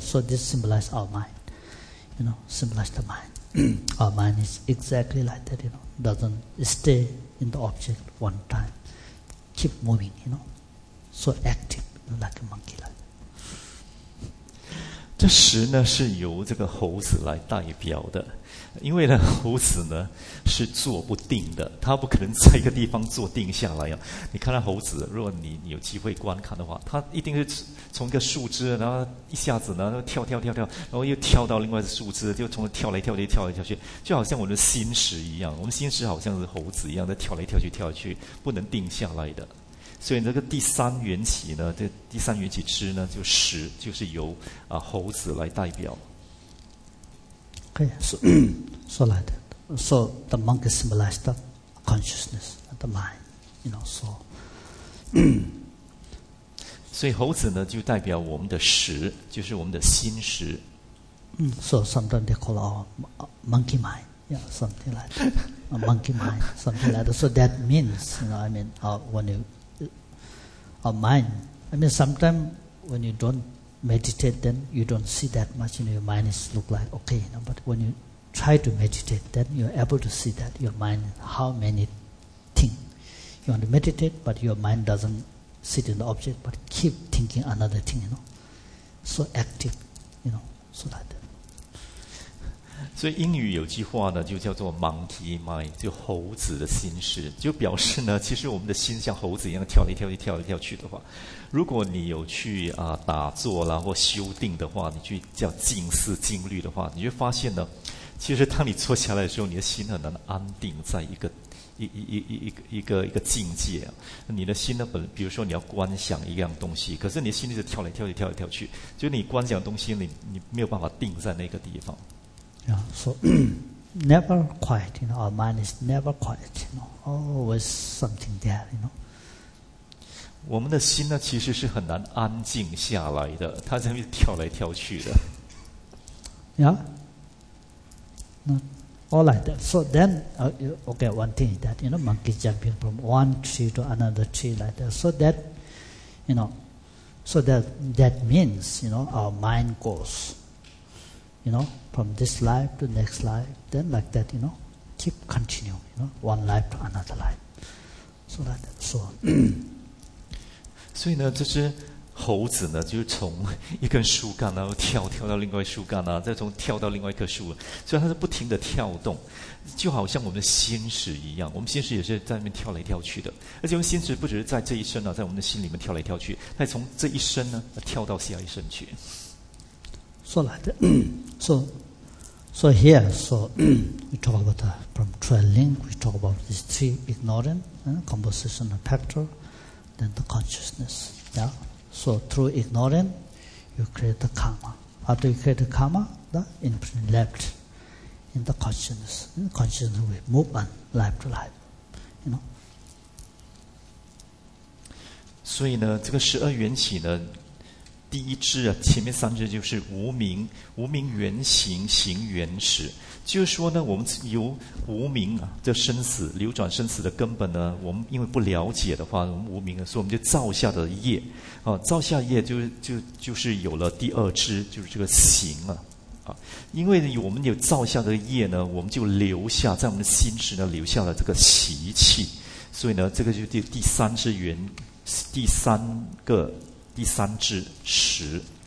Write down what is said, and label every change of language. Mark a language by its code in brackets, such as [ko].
[en] So this symbolizes our mind, you know, symbolizes the mind. Our mind is exactly like that, you know, doesn't stay. In the object one time, keep moving, you know, so active, like a monkey. Like [zh] 这十呢是由这个猴子来代表的，因为呢猴子呢是坐不定的，它不可能在一个地方坐定下来啊。你看到猴子，如果你有机会观看的话，它一定是从一个树枝，然后一下子呢跳跳跳跳，然后又跳到另外的树枝，就从跳来跳去跳来跳去，就好像我们的心识一样，我们心识好像是猴子一样，在跳来跳去跳来去，不能定下来的。所以这个第三缘起呢，这第三缘起之呢，就识，就是由啊猴子来代表。 [en] Okay, so, so like that. So the monkey symbolized the consciousness, the mind, you know, so. [zh] 所以猴子呢就代表我们的识，就是我们的心识。 [en] So sometimes they call our monkey mind, yeah, something like that. A monkey mind, something like that. So that means, you know, I mean, when you, our mind, I mean, sometimes when you don'tMeditate, then you don't see that much. You know, your mind is look like okay. You know, but when you try to meditate, then you're able to see that your mind how many things you want to meditate, but your mind doesn't sit in the object, but keep thinking another thing. You know, so active. You know, so like that. [zh] 所以英语有句话呢，就叫做 [en] monkey mind, [zh] 就猴子的心事，就表示呢，其实我们的心像猴子一样跳来跳去、跳来跳去的话。如果你有去啊打坐啦或修定的话，你去叫静思静虑的话，你就发现呢，其实当你坐下来的时候，你的心很难安定在一个境界啊。你的心呢，本比如说你要观想一样东西，可是你的心一直跳来跳去、跳来跳去，就你观想东西，你没有办法定在那个地方。 [en] Yeah, so never quiet. You know, our mind is never quiet. You know, always something there. You know. [zh] 我们的心呢，其实是很难安静下来的，它在那边跳来跳去的。 [en] Yeah, all like that. So then, okay, one thing is that you know, monkey jumping from one tree to another tree like that. So that, you know, so that means you know, our mind goes, you know, from this life to next life. Then like that, you know, keep continue, you know, one life to another life. So like that. So. [zh] 所以呢，这只猴子呢，就是从一根树干，然后跳到另外树干啊，再从跳到另外一棵树，所以它是不停的跳动，就好像我们的心识一样，我们心识也是在那边跳来跳去的，而且我们心识不只是在这一生啊，在我们的心里面跳来跳去，它从这一生呢跳到下一生去。 [en] So like that, so here, so we talk about the from trailing, we talk about these three ignorant, composition and factor. And the consciousness, yeah. So through ignorance, you create the karma. After you create the karma, the imprint left in the consciousness. In the consciousness, we move on life to life. You know. [zh] 所以呢，这个十二缘起呢，第一支啊，前面三支就是无明、无明缘行、行缘始。就是说呢，我们由无明啊，这生死流转生死的根本呢，我们因为不了解的话，我们无明啊，所以我们就造下的业，啊，造下业就是有了第二支，就是这个行啊，啊，因为我们有造下的业呢，我们就留下在我们的心识呢留下了这个习气，所以呢，这个就是第三支缘，第三支识。